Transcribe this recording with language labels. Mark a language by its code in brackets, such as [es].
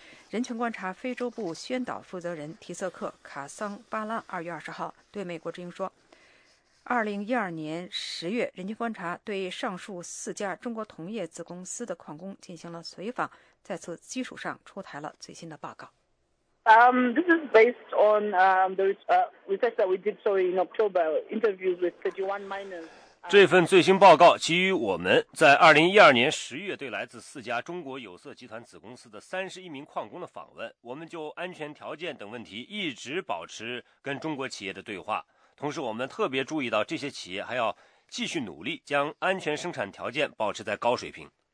[zh] 人权观察非洲部宣导负责人提瑟克·卡桑巴拉2月20号对美国之音说，2012年10月，人权观察对上述4家中国铜业子公司的矿工进行了随访，在此基础上出台了最新的报告。 [en] This is based on the research that we did so in October, interviews with 31 miners. [zh] 这份最新报告基于我们在2012年10月对来自4家中国有色集团子公司的31名矿工的访问，我们就安全条件等问题一直保持跟中国企业的对话。同时我们特别注意到这些企业还要继续努力将安全生产条件保持在高水平。